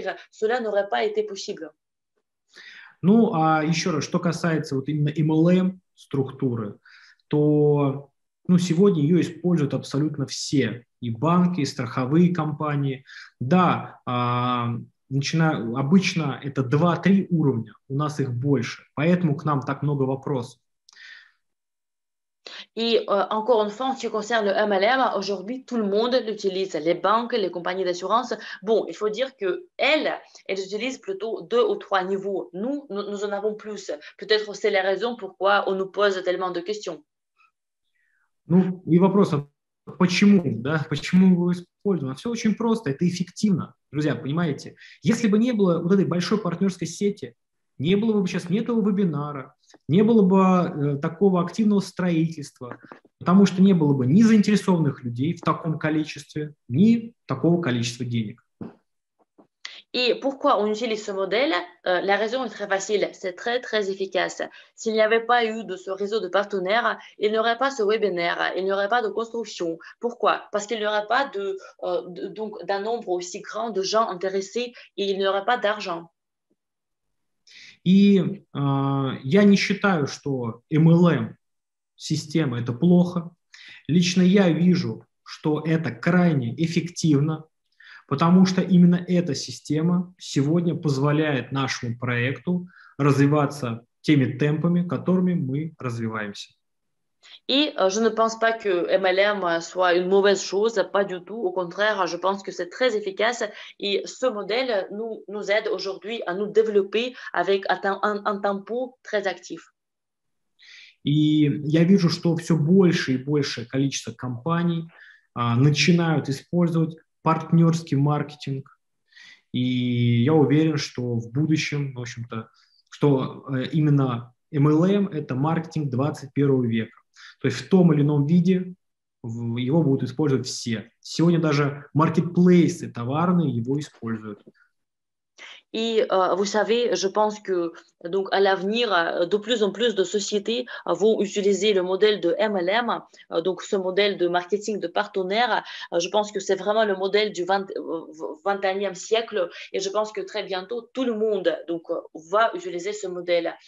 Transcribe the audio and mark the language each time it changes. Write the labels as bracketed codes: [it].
[fr] Cela n'aurait pas été possible. [ru] Ну, а еще раз, что касается вот именно MLM структуры, то ну, сегодня ее используют абсолютно все, и банки, и страховые компании. Да, обычно это 2-3 уровня, у нас их больше, поэтому к нам так много вопросов. [fr] Et encore une fois, en ce qui concerne le MLM, aujourd'hui, tout le monde l'utilise, les banques, les compagnies d'assurance. Bon, il faut dire qu'elles utilisent plutôt 2 ou 3 niveaux. Nous en avons plus. Peut-être c'est la raison pourquoi on nous pose tellement de questions. [ru] Ну, и вопрос, почему, да, почему его используем? Все очень просто, это эффективно, друзья, понимаете? Если бы не было вот этой большой партнерской сети, не было бы сейчас ни этого вебинара, не было бы такого активного строительства, потому что не было бы ни заинтересованных людей в таком количестве, ни такого количества денег. И [fr] pourquoi on utilise ce modèle? La raison est très facile, c'est très très efficace. S'il n'y avait pas eu de ce réseau de partenaires, il n'y aurait pas ce webinaire, il n'y aurait pas de construction. Pourquoi? Parce qu'il n'y aurait pas d'un nombre aussi grand de gens intéressés et il n'y aurait pas d'argent. [ru] И я не считаю, что MLM-система – это плохо. Лично я вижу, что это крайне эффективно, потому что именно эта система сегодня позволяет нашему проекту развиваться теми темпами, которыми мы развиваемся. И [fr] je ne pense pas que MLM soit une mauvaise chose, pas du tout. Au contraire, je pense que c'est très efficace. Et ce modèle nous aide aujourd'hui à nous développer avec un tempo très actif. [ru] И я вижу, что все больше и больше количество компаний начинают использовать партнерский маркетинг. И я уверен, что в будущем, в общем-то, что именно MLM – это маркетинг 21 века. То есть в том или ином виде его будут использовать все. Сегодня даже маркетплейсы товарные его используют. И, [fr] vous savez, je pense que donc à l'avenir, de plus en plus de sociétés vont utiliser le modèle de MLM, donc ce modèle de marketing de partenaires. Je pense que c'est vraiment le modèle du 21e siècle et je pense que très bientôt tout le monde donc va utiliser ce modèle.